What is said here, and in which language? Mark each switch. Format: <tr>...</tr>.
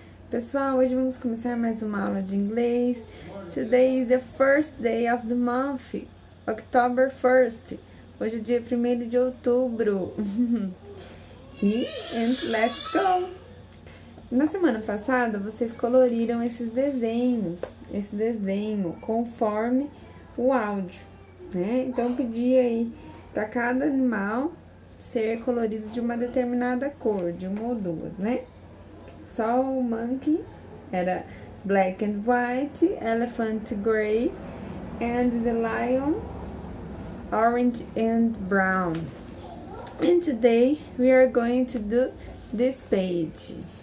<pt>Pessoal, hoje vamos começar mais uma aula de inglês.</pt> <en>Today is the first day of the month, October 1st.</en> <pt>Hoje é dia 1º de outubro.</pt> <en>And let's go!</en> <pt>Na semana passada, vocês coloriram esses desenhos, esse desenho, conforme o áudio, né? Então, eu pedi aí para cada animal ser colorido de uma determinada cor, de uma ou duas, né? Só o</pt> <en>monkey era black and white, elephant gray, and the lion orange and brown. And today we are going to do this page.</en>